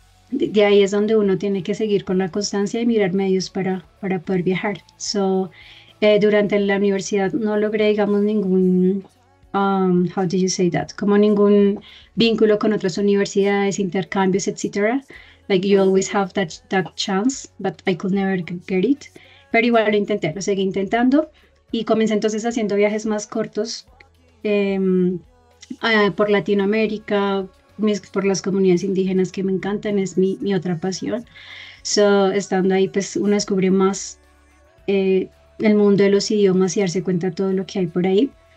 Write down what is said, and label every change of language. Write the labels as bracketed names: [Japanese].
[Spanish] De ahí es donde uno tiene que seguir con la constancia y mirar medios para poder viajar. So, durante la universidad no logré, digamos, ningún, [English] how do you say that? [Spanish] Como ningún vínculo con otras universidades, intercambios, etc. [English] Like, you always have that chance, but I could never get it. [Spanish] Pero igual lo intenté, lo seguí intentando. Y comencé entonces haciendo viajes más cortos por Latinoamérica, por las comunidades indígenas que me encantan, es mi otra pasión. So, estando ahí, pues uno descubre más el mundo de los idiomas y darse cuenta de todo lo que hay por ahí.